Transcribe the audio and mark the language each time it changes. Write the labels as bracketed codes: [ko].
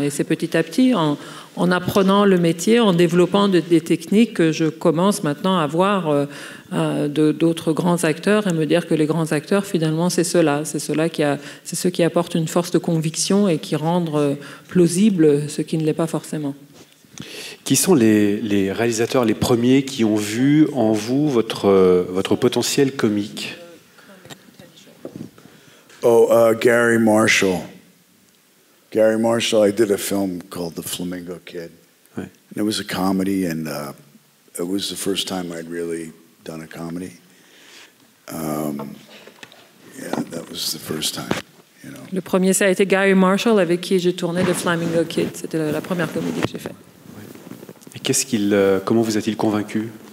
[fr] Et c'est petit à petit, en apprenant le métier, en développant des techniques, que je commence maintenant à voir d'autres grands acteurs et me dire que les grands acteurs, finalement, c'est ceux qui apportent une force de conviction et qui rendent plausible ce qui ne l'est pas forcément. Qui sont les réalisateurs les premiers qui ont vu en vous votre potentiel comique ? [en] Gary Marshall. Gary Marshall, I did a film called The Flamingo Kid. Right. And it was a comedy, and it was the first time I'd really done a comedy. that was the first time, you know. [fr] Le premier, ça a été Gary Marshall avec qui j'ai tourné The Flamingo Kid. C'était la première comédie que j'ai faite. Ouais. Et qu'est-ce qu'il, comment vous a-t-il convaincu?